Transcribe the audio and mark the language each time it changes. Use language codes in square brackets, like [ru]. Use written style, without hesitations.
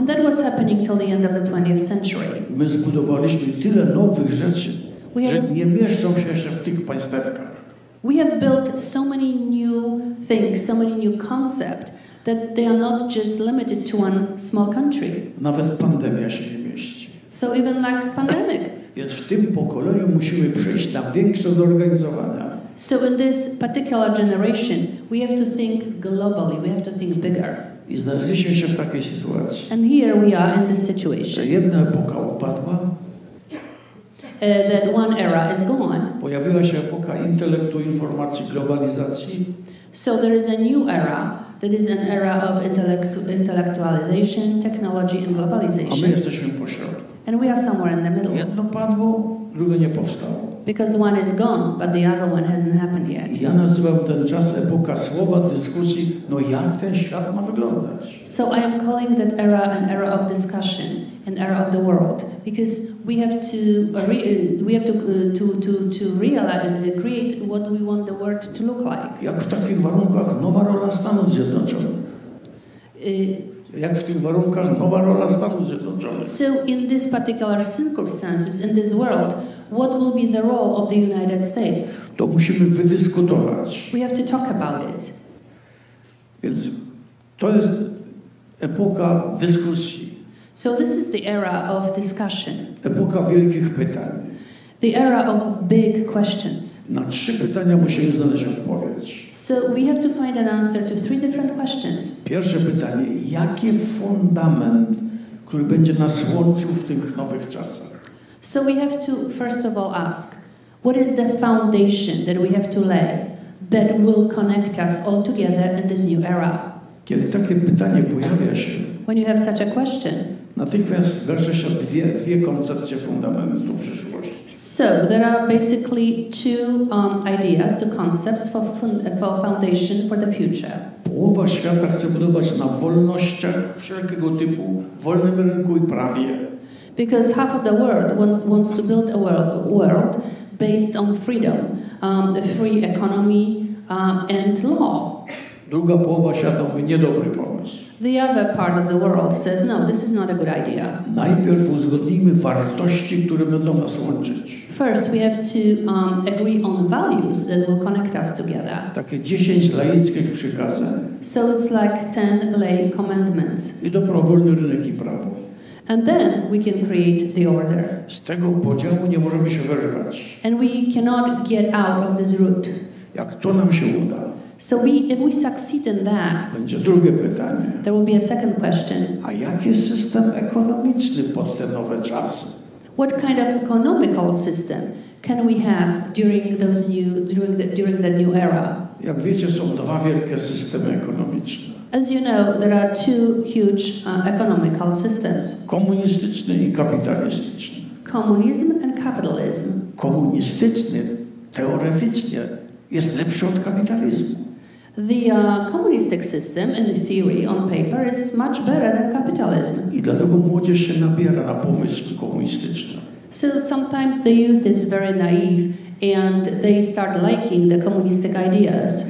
[en] And that was happening till the end of the 20th century. [pl] My zbudowaliśmy tyle nowych rzeczy, że nie mieszczą się jeszcze w tych państewkach. [en] We have built so many new things, so many new concepts, that they are not just limited to one small country. [pl] Nawet pandemia się nie mieści. [en] So even like pandemic. [pl] Więc w tym pokoleniu musimy przejść na większe zorganizowania. [en] So in this particular generation, we have to think globally, we have to think bigger. [pl] I znaleźliśmy się w takiej sytuacji. [en] And here we are in this situation. [pl] Że jedna epoka upadła. [en] That one era is gone. [pl] Pojawiła się epoka intelektu, informacji, globalizacji. [en] So there is a new era, that is an era of intellectualization, technology and globalization. [pl] A my jesteśmy pośrodku. [en] And we are somewhere in the middle. [pl] Jedno padło, drugie nie powstało. [en] Because one is gone, but the other one hasn't happened yet. [pl] Ja nazywam ten czas epoka słowa, dyskusji, no jak ten świat ma wyglądać? [en] So I am calling that era an era of discussion, an era of the world, because we have to create what we want the world to look like. [pl] Jak w takich warunkach nowa rola Stanów Zjednoczonych? Jak w tych warunkach nowa rola Stanów Zjednoczonych? [en] So in this particular circumstances, in this world, what will be the role of the United States? [pl] To musimy wydyskutować. [en] We have to talk about it. [pl] Więc to jest epoka dyskusji. [en] So this is the era of discussion. [pl] Epoka wielkich pytań. [en] The era of big questions. [pl] Na trzy pytania musimy znaleźć odpowiedź. [en] So we have to find an answer to three different questions. [pl] Pierwsze pytanie, jaki fundament, który będzie nas łączył w tych nowych czasach? [en] So we have to first of all ask, what is the foundation that we have to lay that will connect us all together in this new era? [pl] Kiedy takie pytanie pojawia się, [en] when you have such a question, [pl] natychmiast zdarza się dwie koncepcje fundamentu przyszłości. [en] So there are basically two ideas, two concepts for foundation for the future. [pl] Połowa świata chce budować na wolnościach wszelkiego typu, wolnym rynku i prawie. [en] Because half of the world wants to build a world based on freedom, a free economy and law. [pl] Druga połowa świata mówi, niedobry pomysł. [en] The other part of the world says, no, this is not a good idea. [pl] Najpierw uzgodnijmy wartości, które będą nas łączyć. [en] First, we have to agree on values that will connect us together. [pl] Takie 10 laickich przykazań. [en] So it's like 10 lay commandments. [pl] I dobrowolny rynek i prawo. [en] And then we can create the order. [pl] Z tego podziału nie możemy się wyrwać. [en] And we cannot get out of this root. [pl] Jak to nam się uda? [en] So if we succeed in that, [pl] będzie drugie pytanie. [en] There will be a second question. [pl] A jaki jest system ekonomiczny pod te nowe czasy? [en] What kind of economical system can we have during the new era? [pl] Jak wiecie, są dwa wielkie systemy ekonomiczne. [en] As you know, there are two huge economical systems. [pl] Komunistyczny i kapitalistyczny. [en] Communism and capitalism. [pl] Komunistyczny, teoretycznie, jest lepszy od kapitalizmu. [en] The communistic system, in theory, on paper, is much better than capitalism. [pl] I dlatego młodzież się nabiera na pomysły komunistyczne. [en] So sometimes the youth is very naive and they start liking the communistic ideas.